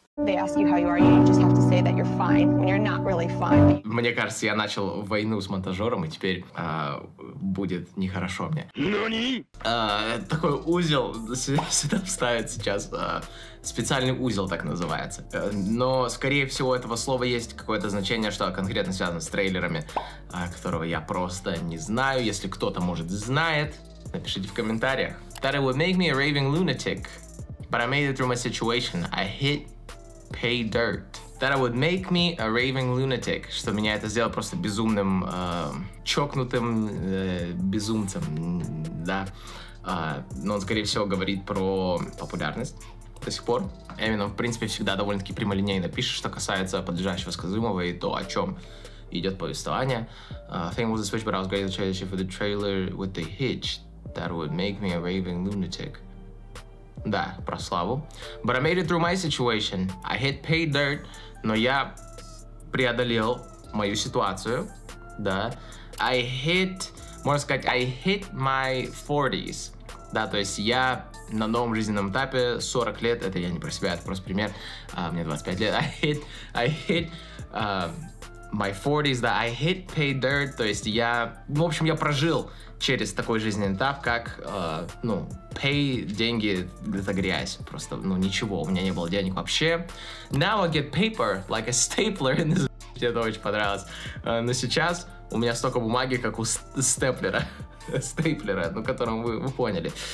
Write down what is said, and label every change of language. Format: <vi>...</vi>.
<en>They ask you how you are, you just have to say that you're fine, when you're not really fine.</en> <ru>Мне кажется, я начал войну с монтажером, и теперь будет нехорошо мне. Ну не! Такой узел сюда вставят сейчас. Специальный узел так называется. Но, скорее всего, у этого слова есть какое-то значение, что конкретно связано с трейлерами, которого я просто не знаю. Если кто-то, может, знает, напишите в комментариях.</ru> <en>That it would make me a raving lunatic, but I made it through my situation. I hit pay dirt. That I would make me a raving lunatic,</en> <ru>что меня это сделало просто безумным, чокнутым безумцем, да. Но он, скорее всего, говорит про популярность до сих пор. Эминем, в принципе, всегда довольно-таки прямолинейно пишет, что касается подлежащего сказуемого и то, о чем идет повествование.</ru> <en>Thing was a switch, but I was going to change it for the trailer with the hitch. That would make me a raving lunatic.</en> <ru>Да, про славу.</ru> <en>But I made it through my situation. I hit pay dirt.</en> <ru>Но я преодолел мою ситуацию, да.</ru> <en>I hit,</en> <ru>можно сказать,</ru> <en>I hit my 40s.</en> <ru>Да, то есть я на новом жизненном этапе 40 лет, это я не про себя, это просто пример, мне 25 лет.</ru> <en>I hit my 40s, да, I hit pay dirt.</en> <ru>То есть я, в общем, я прожил через такой жизненный этап, как, ну, pay деньги, это грязь. Просто, ну, ничего, у меня не было денег вообще.</ru> <en>Now I get paper, like a stapler.</en> <ru>Мне это очень понравилось. Но сейчас у меня столько бумаги, как у степлера. Степлера, ну, которым вы поняли.</ru>